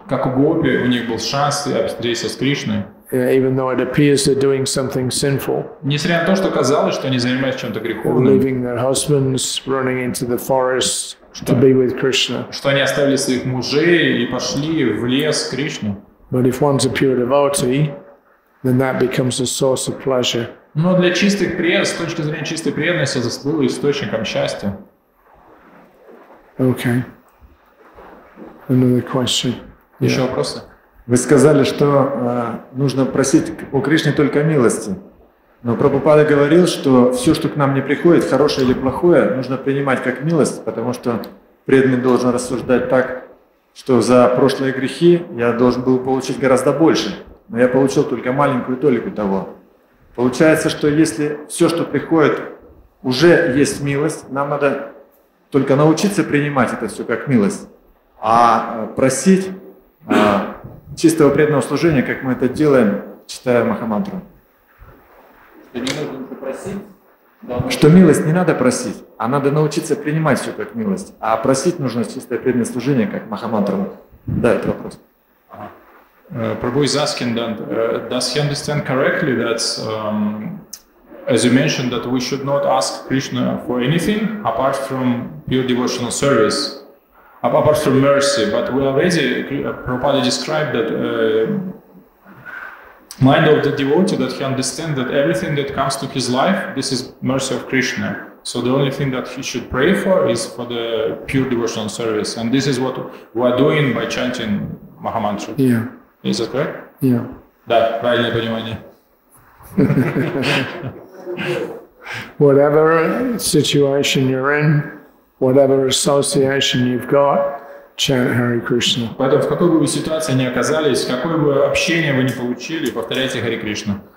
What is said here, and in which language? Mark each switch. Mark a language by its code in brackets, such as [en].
[ru] Как у гопи, у них был шанс встретиться с Кришной. [en] Even though it appears they're doing something sinful. [ru] Несмотря на то, что казалось, что они занимаются чем-то греховным. [en] Leaving their husbands, running into the forest to be with Krishna. [ru] Что они оставили своих мужей и пошли в лес к Кришне. [en] But if one's a pure devotee, then that becomes a source of pleasure. [ru] Но для чистых преданных, с точки зрения чистой преданности, это стало источником счастья. [en] Okay. Another question. [ru] Еще вопросы? Вы сказали, что нужно просить у Кришны только милости. Но Прабхупада говорил, что все, что к нам не приходит, хорошее или плохое, нужно принимать как милость, потому что преданный должен рассуждать так, что за прошлые грехи я должен был получить гораздо больше, но я получил только маленькую толику того. Получается, что если все, что приходит, уже есть милость, нам надо только научиться принимать это все как милость, а просить... чистого преданного служения, как мы это делаем, читая Махамантру. Что не нужно просить, что милость не надо просить, а надо научиться принимать все как милость. А просить нужно чистое преданное служение, как Махамантру. Да, это вопрос. [en] Prabhu is asking that, does he understand correctly that, as you mentioned, that we should not ask Krishna for anything apart from pure devotional service, apart from mercy, but we already, Prabhupada described that mind of the devotee, that he understands that everything that comes to his life, this is mercy of Krishna. So the only thing that he should pray for is for the pure devotional service. And this is what we are doing by chanting Maha Mantra. Yeah. Is that correct? Yeah. [ru] Да, правильное понимание. [en] Whatever situation you're in, whatever association you've got, chant Hare Krishna. [ru] Поэтому в какой бы вы ситуации ни оказались, какое бы общение вы ни получили, повторяйте Hare Krishna.